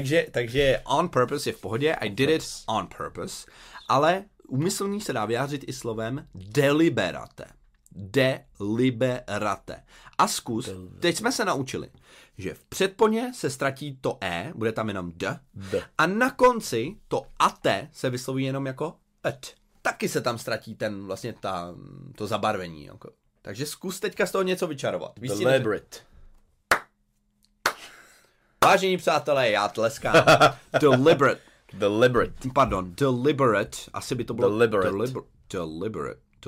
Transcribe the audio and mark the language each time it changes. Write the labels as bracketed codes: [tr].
[cs] Takže on purpose je v pohodě. [en] I did it on purpose. [cs] Ale... Úmyslný se dá vyjádřit i slovem deliberate. Deliberate. A zkus, teď jsme se naučili, že v předponě se ztratí to E, bude tam jenom D. A na konci to ate se vysloví jenom jako et. Taky se tam ztratí ten vlastně ta, to zabarvení. Jako. Takže zkus teďka z toho něco vyčarovat. [en] Víš, deliberate. [cs] Vážení přátelé, já tleskám. [en] Deliberate. Deliberate. [cs] Asi by to bylo... [en] Deliberate.